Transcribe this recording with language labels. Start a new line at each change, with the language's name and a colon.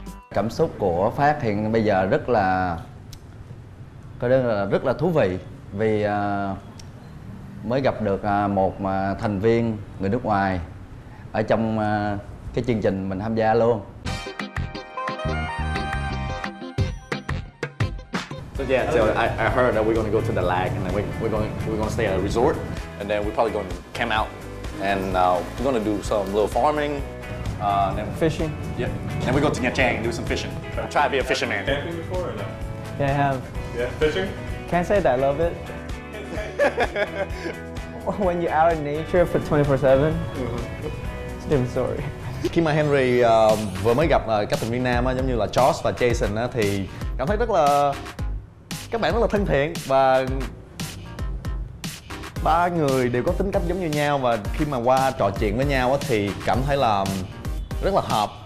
Vietnamese: Cảm xúc của Phát hiện bây giờ rất là rất là thú vị vì mới gặp được một thành viên người nước ngoài ở trong cái chương trình mình tham gia luôn.
English: So yeah, so I heard that we're going to go to the lake and then we're going to stay at a resort and then we're probably going to camp out and we're going to do some little farming and then fishing. Yep. And then we go to Nha Trang and do some fishing. I'll try to be a fisherman. Camping before or no? Yeah, I have. Yeah, fishing? Can't say that I love it. When you're out in nature for 24/7, it's a different story.
Vietnamese: Khi mà Henry vừa mới gặp các thành viên nam giống như là Josh và Jason thì cảm thấy rất là các bạn rất là thân thiện và ba người đều có tính cách giống như nhau và khi mà qua trò chuyện với nhau thì cảm thấy là rất là hợp.